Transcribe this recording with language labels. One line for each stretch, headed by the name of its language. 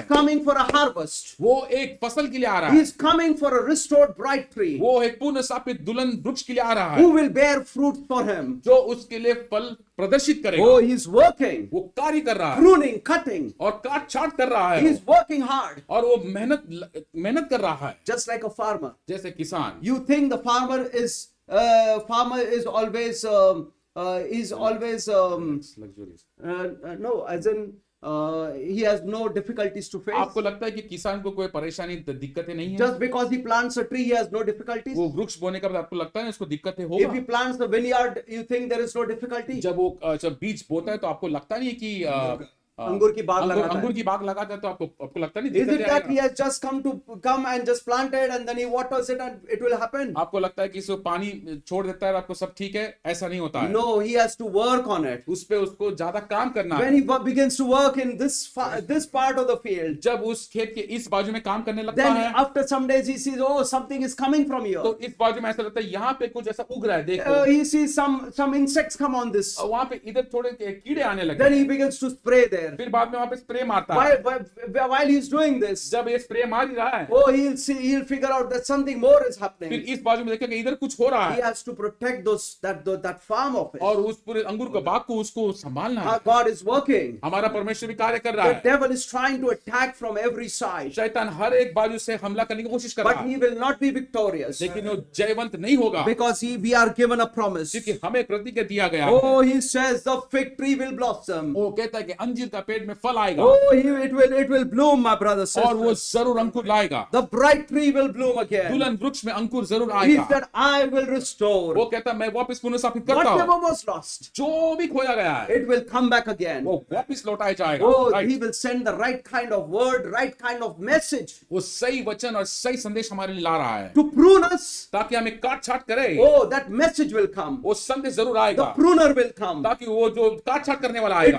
English: He is coming for a harvest.
Hindi: वो एक फसल के लिए आ रहा
English: है. He is coming for a restored bright tree.
Hindi: वो एक पुनर्स्थापित दुल्हन वृक्ष के लिए आ रहा है.
English: Who will bear fruit for him?
Hindi: जो उसके लिए फल प्रदर्शित करेगा.
English: Oh, he is working.
Hindi: वो कार्य कर रहा है.
English: Pruning, cutting.
Hindi: और काट छाट कर रहा है.
English: He is working hard.
Hindi: और वो मेहनत कर रहा है.
English: Just like a farmer.
Hindi: जैसे किसान.
English: You think the farmer is always luxurious. No, as in he has no difficulties to face.
Hindi: आपको लगता है कि किसान को कोई परेशानी दिक्कतें नहीं है?
English: Just because he plants a tree, he has no difficulties.
Hindi: वो वृक्ष बोने का आपको लगता है उसको दिक्कतें हो?
English: If he plants the vineyard, you think there is no difficulty?
Hindi: जब बीज बोता है तो आपको लगता नहीं कि अंगूर की बाग लगाता है तो आपको लगता नहीं दिक्कत
English: आएगा? Is it that he has just come and just planted and then he waters it and it will happen?
Hindi: आपको लगता है कि इसको पानी छोड़ देता है और आपको सब ठीक है? ऐसा नहीं होता है.
English: No, he has to work on it.
Hindi: उस पे उसको ज्यादा काम करना
English: है. When he begins to work in this part of the field,
Hindi: जब उस खेत के इस बाजू में काम करने लगता है,
English: after some days he sees, oh, something is coming from here.
Hindi: तो इस बाजू में ऐसा लगता है यहाँ पे कुछ ऐसा उग रहा है, देखो.
English: He sees some insects come on this.
Hindi: वहाँ पे इधर थोड़े कीड़े आने लगे.
English: Then he begins to spray there.
Hindi: फिर बाद में वहाँ पे स्प्रे मारता
English: है. While he's doing this,
Hindi: जब ये स्प्रे मार ही रहा है,
English: oh, he'll figure out that something more is happening.
Hindi: फिर इस बाजू में देखेंगे इधर कुछ हो रहा है.
English: He has to protect that farm of his.
Hindi: और उस पूरे अंगूर का बाग को उसको संभालना है.
English: God is working.
Hindi: हमारा परमेश्वर भी कार्य कर रहा है.
English: The devil is trying to attack from every side.
Hindi: शैतान हर एक बाजू से हमला करने की कोशिश कर रहा है.
English: But he will not be victorious.
Hindi: लेकिन वो जयवंत नहीं होगा.
English: Because we are given a promise.
Hindi: क्योंकि हमें प्रतिज्ञा दिया गया.
English: Oh, he says the fig tree will blossom.
Hindi: वो कहता है कि अंजीर का पेड़ में फल आएगा.
English: Oh, it will bloom, my brother, sister.
Hindi: और वो जरूर अंकुर लाएगा.
English: The bright tree will bloom again.
Hindi: दुल्हन वृक्ष में अंकुर जरूर आएगा.
English: He said, I will restore.
Hindi: वो कहता मैं वापस पुनर्स्थापित करता हूँ.
English: Whatever was lost,
Hindi: जो भी खोया गया है,
English: it will come back again.
Hindi: वो वापस लौटाए जाएगा.
English: Oh, right. He will send the right kind of word, right kind of message.
Hindi: वो सही वचन और सही संदेश हमारे लिए ला रहा है.
English: To prune us,
Hindi: ताकि हमें काट छाट करे.
English: Oh, that message will come.
Hindi: वो संदेश जरूर आएगा.
English: The pruner will come,
Hindi: ताकि वो जो काट छाट करने वाला आएगा.